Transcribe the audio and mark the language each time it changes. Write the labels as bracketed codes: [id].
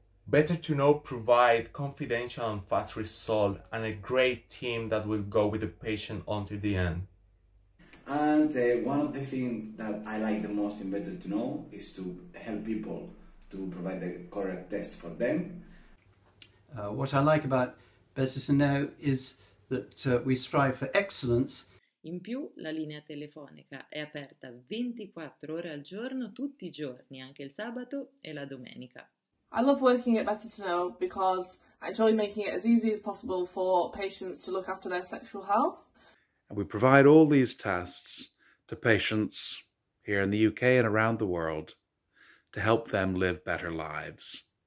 [en] Better2Know provides confidential and fast results and a great team that will go with the patient until the end. And one of the things that I like the most in Better2Know is to help people to provide the correct test for them. What I like about Better2Know is that we strive for excellence. [it] In più, la linea telefonica è aperta 24 ore al giorno, tutti I giorni, anche il sabato e la domenica. [en] I love working at Better2Know because I enjoy making it as easy as possible for patients to look after their sexual health. And we provide all these tests to patients here in the UK and around the world to help them live better lives.